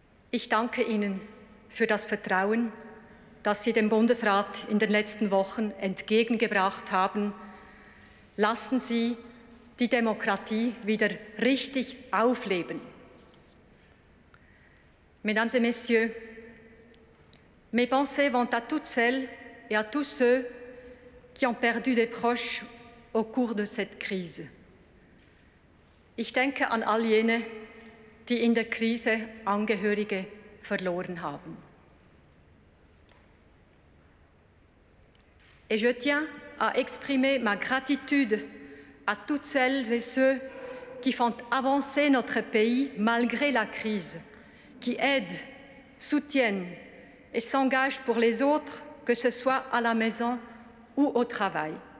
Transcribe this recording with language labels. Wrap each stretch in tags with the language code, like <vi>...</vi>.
<de>Ich danke Ihnen für das Vertrauen, das Sie dem Bundesrat in den letzten Wochen entgegengebracht haben. Lassen Sie die Demokratie wieder richtig aufleben.</de> <fr>Mesdames et Messieurs, mes pensées vont à toutes celles et à tous ceux qui ont perdu des proches au cours de cette crise.</fr> <de>Ich denke an all jene, die in der Krise Angehörige verloren haben.</de> <fr>Et je tiens à exprimer ma gratitude à toutes celles et ceux qui font avancer notre pays malgré la crise, qui aident, soutiennent et s'engagent pour les autres, que ce soit à la maison ou au travail.</fr>